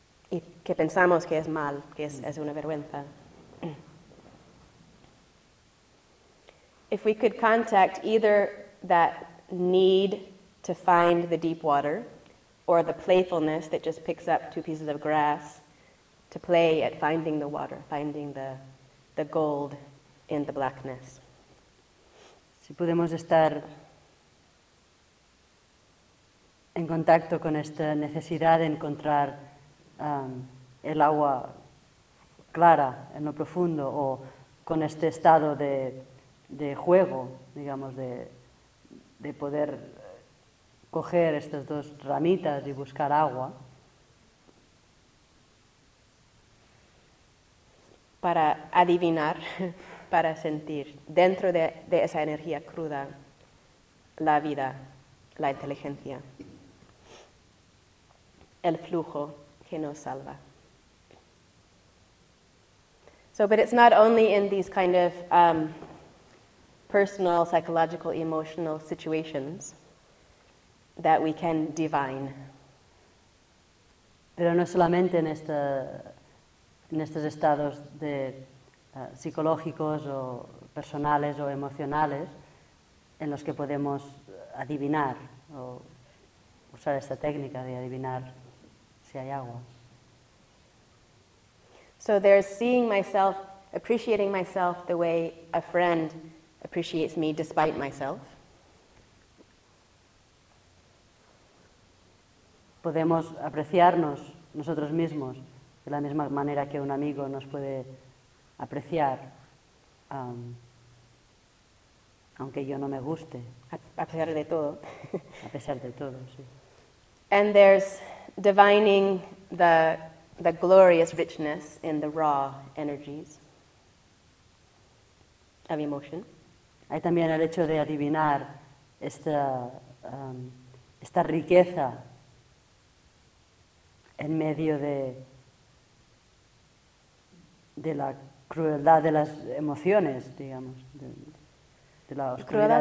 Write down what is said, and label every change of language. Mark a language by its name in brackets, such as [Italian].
[Spanish] Y que pensamos que es mal, que es una vergüenza. [English] If we could contact either that need to find the deep water or the playfulness that just picks up two pieces of grass to play at finding the water, finding the gold in the blackness. [Spanish] Si podemos estar en contacto con esta necesidad de encontrar el agua clara en lo profundo o con este estado de juego, digamos, de poder coger estas dos ramitas y buscar agua. Para adivinar, para sentir dentro de esa energía cruda la vida, la inteligencia, el flujo que nos salva. [English] So, but it's not only in these kind of personal, psychological, emotional situations that we can divine. [Spanish] Pero no solamente en estos estados de psicológicos o personales o emocionales en los que podemos adivinar o usar esta técnica de adivinar si hay agua. [English] So there's seeing myself, appreciating myself the way a friend appreciates me despite myself. [Spanish] Podemos apreciarnos nosotros mismos de la misma manera que un amigo nos puede apreciar, aunque yo no me guste. A pesar de todo. A pesar de todo, sí. [English] And there's divining the glorious richness in the raw energies of emotion. [Spanish] Hay también el hecho de adivinar esta esta riqueza en medio de la crueldad de las emociones, digamos, de la oscuridad.